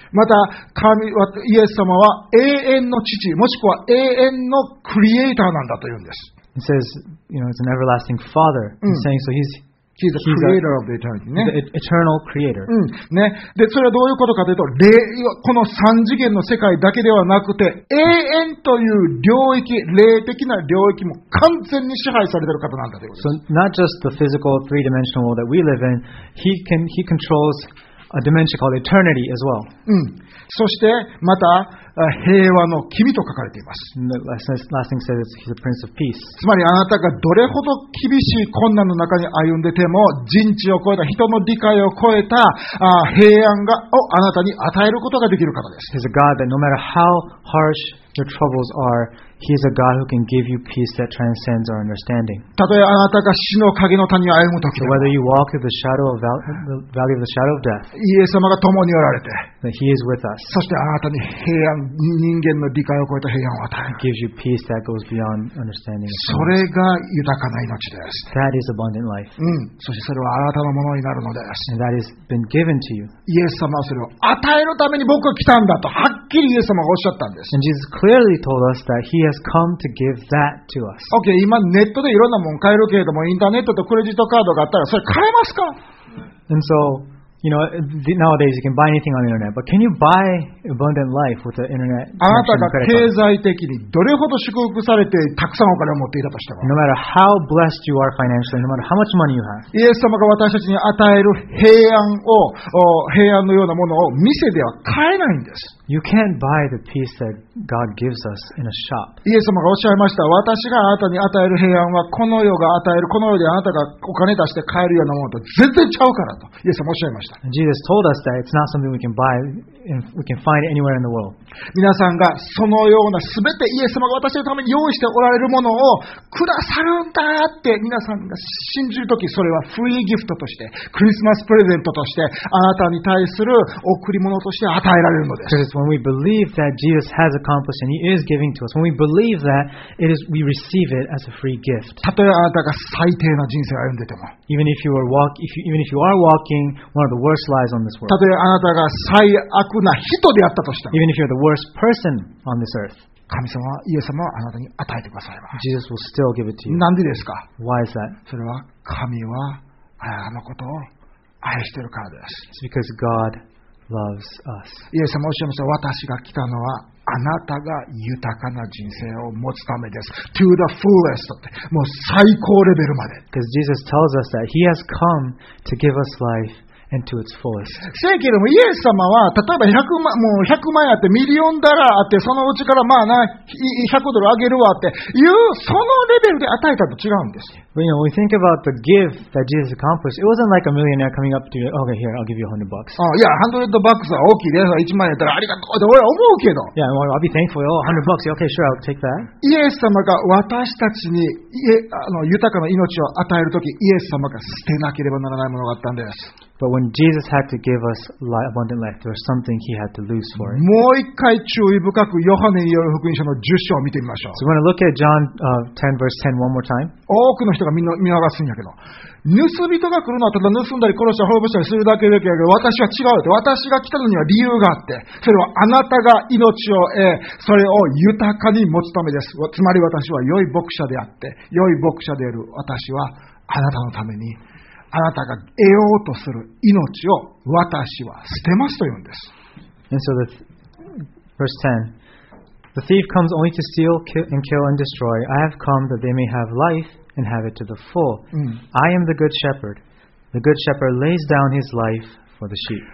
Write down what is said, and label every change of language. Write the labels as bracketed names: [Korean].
[Japanese] また神イエス様は永遠の父もしくは永遠のクリエイターなんだというんです。 [English] It says, you know, it's an everlasting father. He's saying, so he's the creator of the eternity. The eternal creator. [Japanese] ね。で、それはどういうことかというと、霊、この三次元の世界だけではなくて、永遠という領域、霊的な領域も完全に支配されている方なんだということです。 [English] So not just the physical three-dimensional world that we live in, he controls a dimension called eternity as well. [Japanese] そしてまた、平和の君と書かれています。 [English] Last thing says he's a prince of peace. [Japanese] つまりあなたがどれほど厳しい困難の中に歩んでても、人知を超えた、人の理解を超えた、平安をあなたに与えることができる方です。 [English] He's a God that no matter how harsh your troubles are, He is a God who can give you peace that transcends our understanding. [Japanese] たとえあなたが死の影の谷を歩むとき、 [English] so、whether you walk through the shadow of the valley of the shadow of death, [Japanese] イエス様が共におられて、 [English] that He is with us. [Japanese] そしてあなたに平安人間の理解を超えた平安を与える。 [English] Gives you peace that goes beyond understanding. [Japanese] それが豊かな命です。 [English] That is abundant life. [Japanese] そしてそれはあなたのものになるのです。 [English] And that has been given to you. [Japanese] イエス様はそれを与えるために僕は来たんだとはっきりイエス様がおっしゃったんです。 [English] And Jesus clearly told us that He has come to give that to us. [Japanese] Okay, 今ネットでいろんなもの買えるけれども、インターネットとクレジットカードがあったらそれ買えますか？ [English] And so. You know, nowadays you can buy anything on the internet, but can you buy abundant life with the internet? [Japanese] あなたが経済的にどれほど祝福されてたくさんお金を持っていたとしても、 [English] No matter how blessed you are financially, no matter how much money you have, [Japanese] イエス様が私たちに与える平安を、平安のようなものを店では買えないんです。 [English] You can't buy the peace that God gives us in a shop. [Japanese] イエス様がおっしゃいました。私があなたに与える平安はこの世が与える、この世であなたがお金出して買えるようなものと全然ちゃうからと。イエス様おっしゃいました。 [English] And Jesus told us that it's not something we can buy and we can find anywhere in the world. [Japanese] 皆さんがそのような全てイエス様が私のために用意しておられるものをくださるんだって皆さんが信じるとき、それはフリーギフトとして、クリスマスプレゼントとして、あなたに対する贈り物として与えられるのです。 [English] When we believe that Jesus has accomplished and He is giving to us, when we believe that, it is we receive it as a free gift. [Japanese] たとえあなたが最低な人生を歩んでても、 [English] even if you are walking one of the worst lives on this world. [Japanese] たとえあなたが最悪な人であったとしても、 [English] even if you're the worst person on this earth. [Japanese] 神様はイエス様はあなたに与えてくださいます。 [English] Jesus will still give it to you. [Japanese] なんでですか？ [English] Why is that? [Japanese] それは神はあなたのことを愛しているからです。 [English] It's because God. Loves us. [Japanese] イエス様おっしゃいました、私が来たのはあなたが豊かな人生を持つためです。 [English] To the fullest [Japanese] ってもう最高レベルまで。 [English] Because Jesus tells us that He has come to give us life and to its fullest. [Japanese] せやけどもイエス様は例えば100万、もう100万あってミリオンダラーあってそのうちからまあな100ドルあげるわっていうそのレベルで与えたと違うんです。 [English] But you know, when we think about the gift that Jesus accomplished, it wasn't like a millionaire coming up to you, okay, here, I'll give you $100. [Japanese] Oh, yeah, $100 は大きいです。1万円やったらありがとうって俺は思うけど。 [English] Yeah, well, I'll be thankful. Oh, $100. Okay, sure, I'll take that. [Japanese] イエス様が私たちに豊かな命を与えるとき、イエス様が捨てなければならないものがあったんです。 [English] But when Jesus had to give us abundant life, there was something He had to lose for it. [Japanese] もう一回注意深くヨハネによる福音書の10章を見てみましょう。 [English] So we're going to look at John 10 verse 10 one more time. [Japanese] 多くの人が見逃すんやけど、盗人が来るのはただ盗んだり殺したり滅ぼしたりするだけだけど、私は違うって。私が来たのには理由があって、それはあなたが命を得、それを豊かに持つためです。つまり私は良い牧者であって、良い牧者である私はあなたのためにあなたが得ようとする命を私は捨てますと言うんです。 [English] And so verse 10. The thief comes only to steal, kill, and kill and destroy. I have come that they may have life and have it to the full. I am the good shepherd. The good shepherd lays down his life for the sheep.